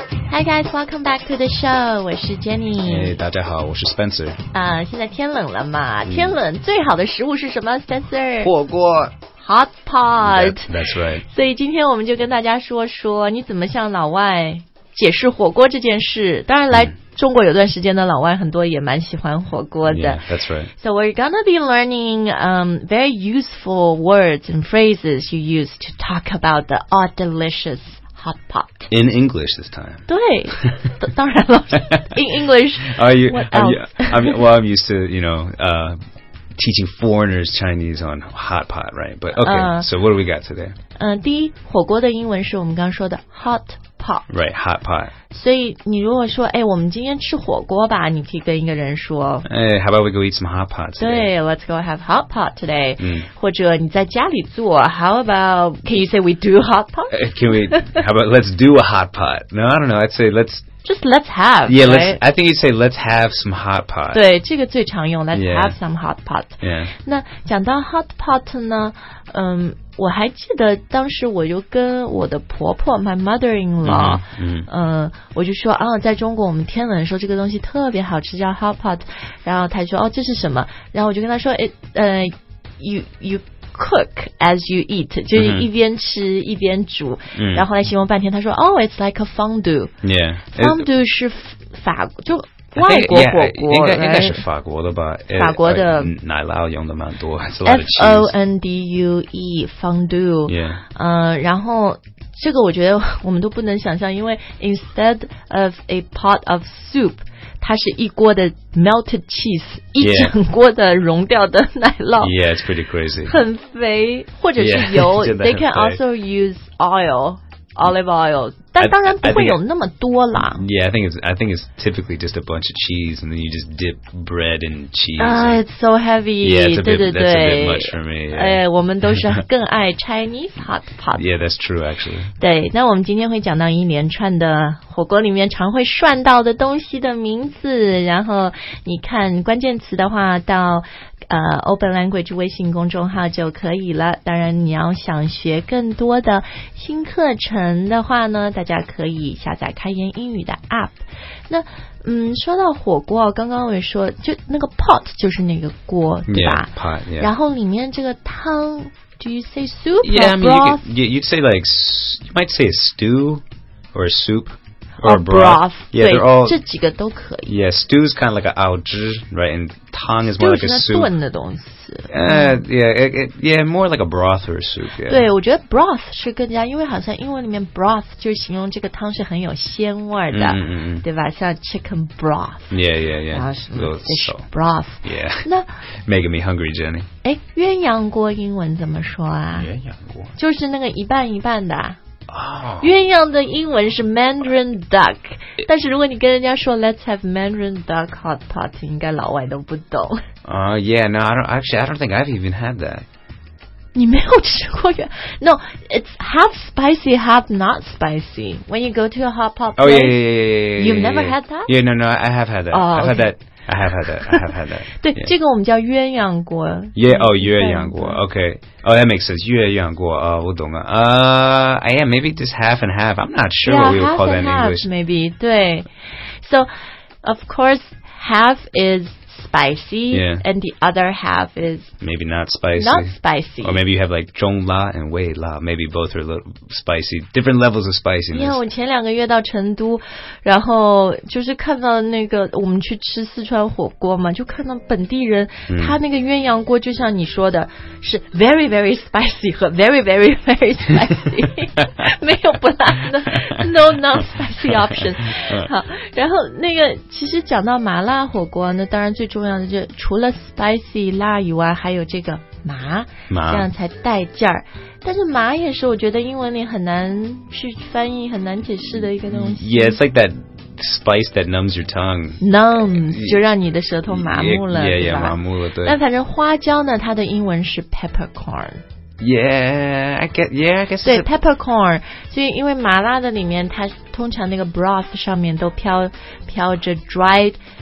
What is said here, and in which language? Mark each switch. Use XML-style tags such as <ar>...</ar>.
<en>Hi guys, welcome back to the show.</en> <zh>我是 Jenny. Hey, 大家好，我是 Spencer. 现在天冷了嘛？天冷最好的食物是什么 ？Spencer，火锅。</zh> <en>Hot pot. That's right.</en> <zh>所以今天我们就跟大家说说，你怎么向老外解释火锅这件事？当然，来中国有段时间的老外很多也蛮喜欢火锅的。</zh> <en>Yeah, that's right. So we're gonna be learning very useful words and phrases you use to talk about the odd delicious. Hot pot. In English this time.</en> <zh>对，当然了。</zh> <en>In English. I'm used to, you know, teaching foreigners Chinese on hot pot, right? But okay, so what do we got today?</en> <zh>第一，火锅的英文是我们刚刚说的 hot pot.</zh> <en>Right, hot pot.</en> <zh>所以你如果说，哎，我们今天吃火锅吧，你可以跟一个人说，</zh> <en>哎， how about we go eat some hot pot today? 对， let's go have hot pot today.</en> <zh>或者你在家里做，</zh> <en>how about, can you say we do hot pot? Can we, how about let's do a hot pot? No, I don't know, I'd say let's... Just let's have, yeah, right? Yeah, I think you'd say, let's have some hot pot.</en> <zh>对，这个最常用</zh> <en>let's have some hot pot. Yeah.</en> <zh>那讲到 hot pot 呢，我还记得当时我就跟我的婆婆 my mother-in-law, 我就说啊，在中国我们天冷的时候这个东西特别好吃叫 hot pot, 然后她说哦，这是什么，然后我就跟她说</zh> <en>you cook as you eat,</en> <zh>就是一边吃一边煮、然后后来形容半天他说</zh> <en>oh, it's like a fondue. Yeah.</en> <zh>Fondue 是法国就外国火锅应该是法国的吧。法国的。奶酪用的蛮多。</zh> <en>F-O-N-D-U-E, fondue. Yeah.</en> <zh>然后这个我觉得我们都不能想象因为</zh> <en>instead of a pot of soup,</en> <zh>它是一锅的</zh> <en>melted cheese,</en> <zh>一整锅的融掉的奶酪。</zh> <en>Yeah, it's pretty crazy.</en> <zh>很肥或者是油。</zh> <en>Yeah, they can also use oil, olive oil.</en> <zh>但当然不会有那么多啦。</zh> <en>Yeah, I think it's typically just a bunch of cheese and then you just dip bread in cheese. It's so heavy. Yeah, it's a bit, that's a bit much for me.</en> <zh>我们都是更爱 Chinese hot pot.</zh> <en>Yeah, that's true, actually.</en> <zh>对，那我们今天会讲到一连串的火锅里面常会涮到的东西的名字，然后你看关键词的话到Open Language 微信公众号就可以了。当然你要想学更多的新课程的话呢，大家可以下载开言英语的 App。那说到火锅，刚刚我也说就那个 pot 就是那个锅对吧，</zh> <en>yeah, pot, yeah.</en> <zh>然后里面这个汤</zh> <en>do you say soup yeah, or I mean, broth? You'd say like you might say a stew or a soupOr broth. Yeah, they're all...</en> <zh>这几个都可以。</zh> <en>Yeah, stew is kind of like a 熬汁, right? And tongue is more like a soup.</en> <zh>就是那炖的东西。</zh> <en>Yeah, more like a broth or a soup, yeah.</en> <zh>对，我觉得 broth 是更加，因为好像英文里面 broth 就是形容这个汤是很有鲜味的，对吧？</zh> <en>像 chicken broth. Yeah.</en> <zh>然后什么 fish broth.</zh> <en>Yeah. Making me hungry, Jenny.</en> <zh>哎，鸳鸯锅英文怎么说啊？鸳鸯锅。就是那个一半一半的。鸳鸯的英文是 Mandarin Duck, 但是如果你跟人家说</zh> <en>Let's have Mandarin Duck hot pot,</en> <zh>应该老外都不懂。</zh> <en>Yeah, no, I don't think I've even had that. 你没有吃过鸳鸯? No, it's half spicy, half not spicy. When you go to a hot pot place, you've never had that? Yeah, no, I have had that.、 Oh, okay. I have had that.</en> <zh>对、这个我们叫鸳鸯锅。</zh> <en>Yeah, oh, 鸳鸯锅。Okay. Oh, that makes sense. 鸳鸯锅。Oh,</en> <zh>我懂了。</zh> <en>Yeah, maybe just half and half. I'm not sure yeah, what we would call that in half, English. Maybe, 对。 So, of course, half is spicy,、and the other half is... Maybe not spicy. Not spicy. Or maybe you have like 中辣 and 微辣. Maybe both are a little spicy. Different levels of spiciness.</en> <zh>Yeah, 我前两个月到成都，然后就是看到那个我们去吃四川火锅嘛，就看到本地人、他那个鸳鸯锅就像你说的是</zh> <en>very very spicy</en> <zh>和</zh> <en>very very very spicy</en> <zh>没有不辣的</zh> <en>no non spicy option.</en> <zh>好，然后那个其实讲到麻辣火锅，那当然最重要的就是除了 spicy 辣以外还有这个麻，这样才带劲儿。但是麻也是我觉得英文里很难去翻译很难解释的一个东西。</zh> <en>Yeah, it's like that spice that numbs your tongue.</en> <zh>Numbs 就让你的舌头麻木了 yeah, 麻木了。对，但反正花椒呢它的英文是 peppercorn。</zh> <en>Yeah, I guess.</en> <zh>对 ，peppercorn. 所以因为麻辣的里面，它通常那个 broth 上面都飘着 dried</zh>